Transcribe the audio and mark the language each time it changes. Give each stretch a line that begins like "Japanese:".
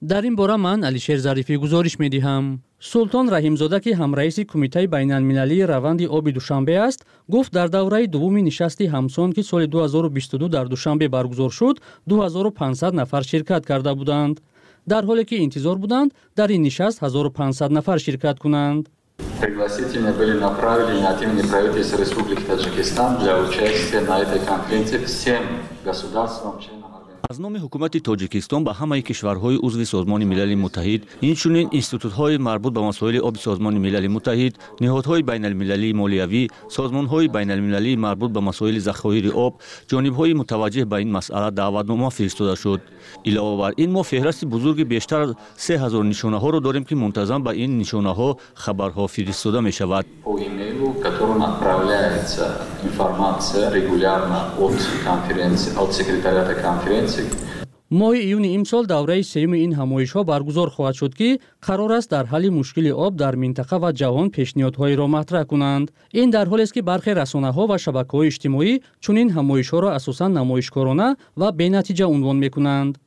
Persian: در این باره من علیشر ظریفی گزارش می دهم. سلطان رحیمزاده که هم رئیس کمیته بین المللی روند آب دوشنبه است گفت در دوره دوم نشست همسان که سال 2022 در دوشنبه برگزار شد 2500 نفر شرکت کرده بودند، در حالی که انتظار بودند در این نشست 1500 نفر شرکت کنند.
Russian: Пригласительные были направлены от имени правительства Республики Таджикистан для участия на этой конференции всем государствам членам.
Persian: از نام حکومت تاجیکستان به همه کشورهای عضو سازمان ملل متحد، اینچنین اینستیتوت‌های مربوط به مسائل آب سازمان ملل متحد، نهادهای بین المللی مالیوی، سازمان‌های بین المللی مربوط به مسائل ذخایر آب، جانب‌های متوجه به این مسئله دعوت‌نامه فرستاده شد. علاوه بر این ما فهرست بزرگ بیشتر از 3000 نشانه‌ها را داریم که منتظم به این نشانه‌ها خبرها فرستاده می‌شود.
Russian: которым отправляется информация регулярно от конференции, от секретариата конференции.
Persian: ماه ایونی امسال دوره سیم این همایش ها برگزار خواهد شد که قرار است در حل مشکل آب در منطقه و جهان پیشنهادهای را مطرح کنند. این در حالی است که برخی رسانه ها و شبکه های اجتماعی چون این همایش ها را اساساً نمایشکارانه و بی نتیجه عنوان می کنند.